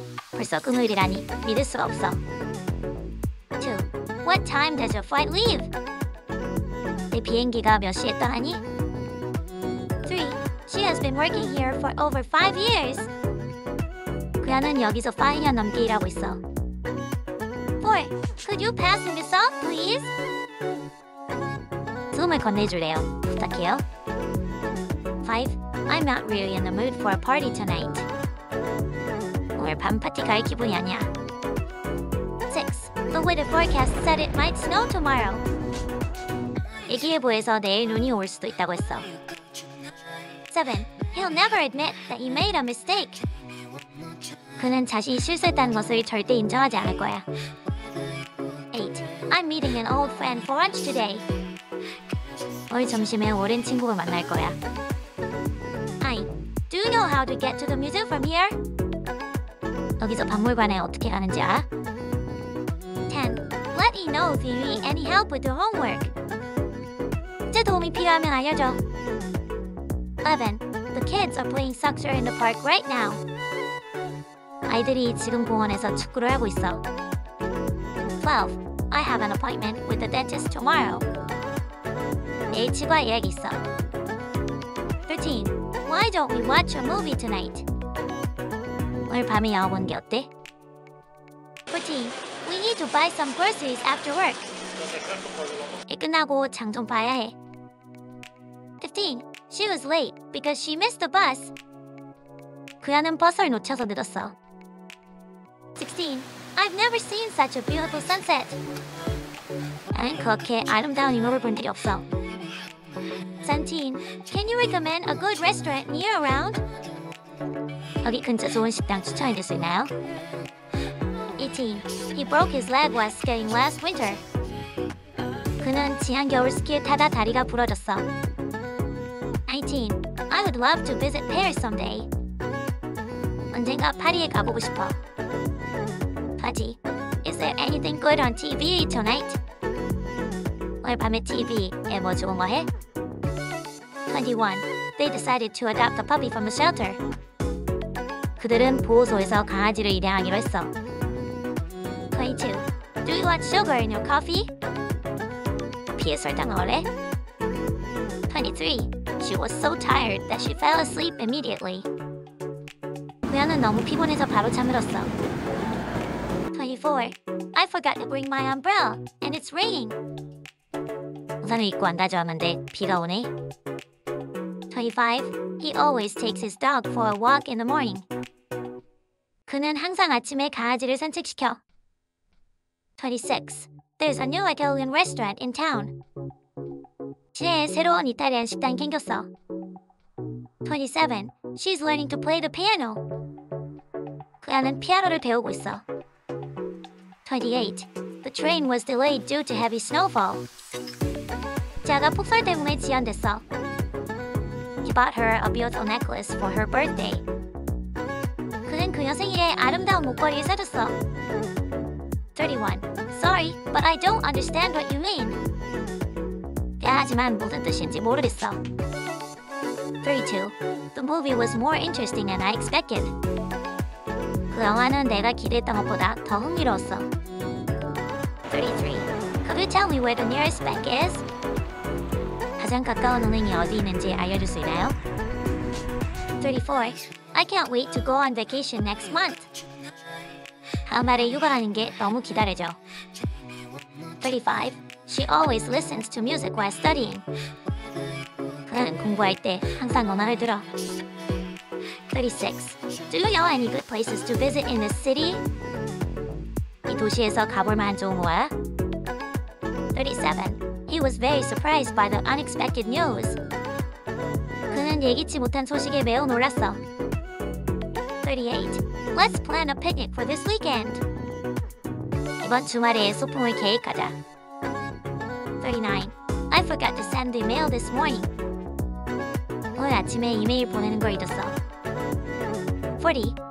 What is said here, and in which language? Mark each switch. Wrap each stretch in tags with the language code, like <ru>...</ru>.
<ko>벌써 금요일이라니, 믿을 수가 없어.</ko> <en>2. What time does your flight leave?</en> <ko>내 비행기가 몇 시에 떠나니?</ko> <en>3. She has been working here for over 5 years.</en> <ko>그녀는 여기서 5년 넘게 일하고 있어.</ko> <en>4. Could you pass me the salt, please?</en> <ko>소금을 건네줄래요? 부탁해요. 5.</ko> <en>I'm not really in the mood for a party tonight.</en> <ko>오늘 밤 파티 갈 기분이 아니야.</ko> <en>6. The weather forecast said it might snow tomorrow.</en> <ko>일기예보에서 내일 눈이 올 수도 있다고 했어.</ko> <en>7. He'll never admit that he made a mistake.</en> <ko>그는 자신이 실수했다는 것을 절대 인정하지 않을 거야.</ko> <en>8. I'm meeting an old friend for lunch today.</en> <ko>오늘 점심에 오랜 친구를 만날 거야.</ko> <en>9. Do you know how to get to the museum from here?</en> <ko>여기서 박물관에 어떻게 가는지 알아?</ko> <en>10. Let me know if you need any help with your homework.</en> <ko>이제 도움이 필요하면 알려줘.</ko> <en>11. The kids are playing soccer in the park right now.</en> <ko>아이들이 지금 공원에서 축구를 하고 있어.</ko> <en>12. I have an appointment with the dentist tomorrow.</en> <ko>내일 치과 예약 있어.</ko> <en>13. Why don't we watch a movie tonight?</en> <ko>오늘 밤에 영화 보는 게 어때?</ko> <en>14. We need to buy some groceries after work.</en> <ko>일 끝나고 장 좀 봐야 해.</ko> <en>15. She was late because she missed the bus.</en> <ko>그녀는 버스를 놓쳐서 늦었어.</ko> <en>16. I've never seen such a beautiful sunset.</en> <ko>나는 그렇게 아름다운 이목을 본 적이 없어.</ko> <en>17. Can you recommend a good restaurant near around?</en> <ko>여기 근처 좋은 식당 추천해줄 수 있나요?</ko> <en>18. He broke his leg while skiing last winter.</en> <ko>그는 지난 겨울 스키를 타다 다리가 부러졌어.</ko> <en>19. I would love to visit Paris someday.</en> <ko>언젠가 파리에 가보고 싶어.</ko> <en>20. Is there anything good on TV tonight?</en> <ko>오늘 밤에 TV에 뭐 좋은 거 해?</ko> <en>21. They decided to adopt a puppy from the shelter.</en> <ko>그들은 보호소에서 강아지를 입양하기로 했어.</ko> <en>22. Do you want sugar in your coffee?</en> <ko>피에 설탕 넣을래?</ko> <en>23. She was so tired that she fell asleep immediately.</en> <ko>그녀는 너무 피곤해서 바로 잠들었어.</ko> <en>24. I forgot to bring my umbrella and it's raining.</en> <ko>우산을 입고 안다 좋았는데 비가 오네.</ko> <en>25. He always takes his dog for a walk in the morning.</en> <ko>그는 항상 아침에 강아지를 산책시켜.</ko> <en>26. There's a new Italian restaurant in town.</en> <ko>시내에 새로운 이탈리안 식당이 생겼어.</ko> <en>27. She's learning to play the piano.</en> <ko>그녀는 피아노를 배우고 있어.</ko> <en>28. The train was delayed due to heavy snowfall.</en> <ko>기차가 폭설 때문에 지연됐어.</ko> <en>He bought her a beautiful necklace for her birthday.</en> <ko>그는 그녀 생일에 아름다운 목걸이를 사줬어.</ko> <en>31. Sorry, but I don't understand what you mean.</en> <ko>미안하지만 무슨 뜻인지 모르겠어.</ko> <en>32. The movie was more interesting than I expected.</en> <ko>그 영화는 내가 기대했던 것보다 더 흥미로웠어.</ko> <en>33. Could you tell me where the nearest bank is?</en> <ko>가장 가까운 은행이 어디 있는지 알려줄 수 있나요?</ko> <en>34. I can't wait to go on vacation next month.</en> <ko>다음 달에 휴가 가는 게 너무 기다려져.</ko> <en>35. She always listens to music while studying.</en> <ko>그녀는 공부할 때 항상 음악을 들어.</ko> <en>36. Do you know any good places to visit in the city?</en> <ko>이 도시에서 가볼 만한 좋은 곳이야?</ko> <en>37. He was very surprised by the unexpected news.</en> <ko>그는 예기치 못한 소식에 매우 놀랐어.</ko> <en>38. Let's plan a picnic for this weekend.</en> <ko>이번 주말에 소풍을 계획하자.</ko> <en>39. I forgot to send the mail this morning.</en> <ko>오늘 아침에 이메일 보내는 걸 잊었어.</ko> <en>comforty.</en>